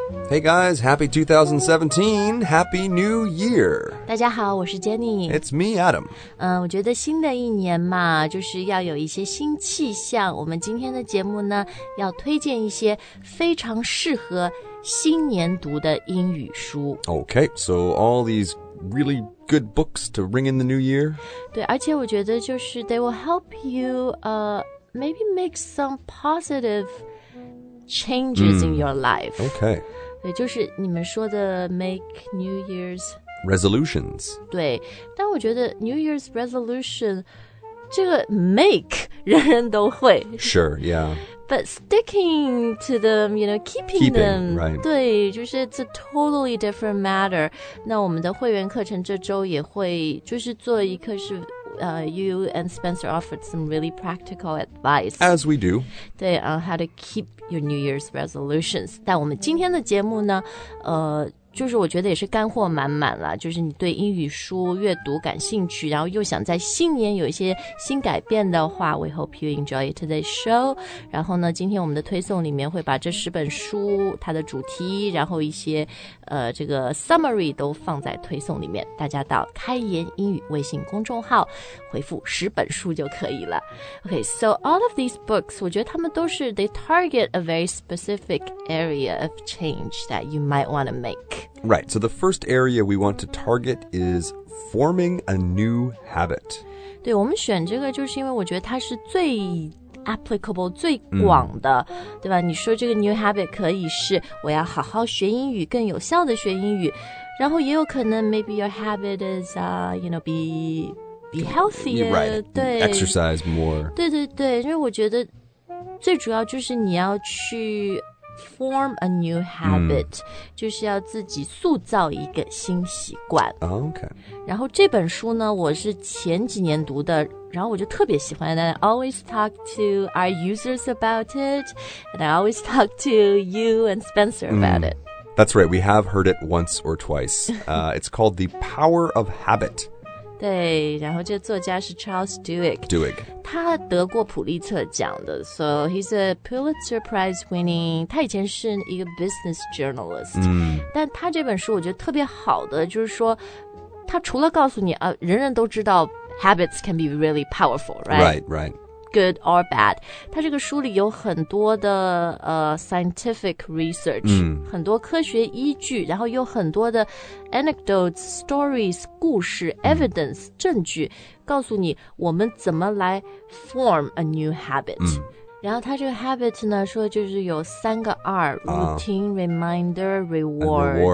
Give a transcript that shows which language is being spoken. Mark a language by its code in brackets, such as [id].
[en] Hey guys, happy 2017, happy new year. [zh] 大家好，我是 Jenny. [en] It's me, Adam. [zh] 我觉得新的一年嘛，就是要有一些新气象。我们今天的节目呢，要推荐一些非常适合新年读的英语书。 [en] Okay, so all these really good books to ring in the new year. [zh] 对，而且我觉得就是 [en] they will help you, maybe make some positive changes in your life. Okay. [zh] 对，就是你们说的 [en] make New Year's resolutions. [zh] 对，但我觉得 New Year's resolution 这个 make 人人都会。 [en] Sure, yeah. But sticking to them, you know, keeping them, right. [zh] 对，就是 [en] it's a totally different matter. [zh] 那我们的会员课程这周也会就是做一课是 [en] you and Spencer offered some really practical advice. As we do. 对，how to keep your New Year's resolutions. [zh] 但我们今天的节目呢，就是我觉得也是干货满满了，就是你对英语书阅读感兴趣，然后又想在新年有一些新改变的话， [en] we hope you enjoy today's show. [zh] 然后呢，今天我们的推送里面会把这十本书它的主题，然后一些这个 summary 都放在推送里面，大家到开言英语微信公众号回复十本书就可以了。 [en] Okay, so all of these books, [zh] 我觉得他们都是 [en] they target a very specific area of change that you might want to make. Right, so the first area we want to target is forming a new habit. [zh] 对，我们选这个就是因为我觉得它是最 applicable, 最广的，对吧？你说这个 [en] new habit [zh] 可以是我要好好学英语，更有效的学英语，然后也有可能 [en] maybe your habit is, you know, be healthier. You're right, [zh] 对 [en] exercise more. [zh] 对对对，因为我觉得最主要就是你要去 [en] Form a new habit, [zh] 就是要自己塑造一个新习惯。 [en] Okay. [zh] 然后这本书呢，我是前几年读的，然后我就特别喜欢。 [en] And I always talk to our users about it, and I always talk to you and Spencer about it. That's right. We have heard it once or twice. it's called The Power of Habit. [zh] 对，然后这作家是 Charles Duhigg. [en] Duhigg. [zh] 他得过普利策奖的 [en] So he's a Pulitzer Prize winning [zh] 他以前是一个 [en] business journalist [zh] 但他这本书我觉得特别好的就是说他除了告诉你人人都知道 [en] habits can be really powerful right good or bad [zh] 他这个书里有很多的 [en] scientific research [zh] 很多科学依据然后有很多的 [en] anecdotes stories [zh] 故事 evidence 证据告诉你我们怎么来 [en] form a new habit、 [zh] 然后他这个 habit 呢说就是有三个 R [en] routine, reminder, reward,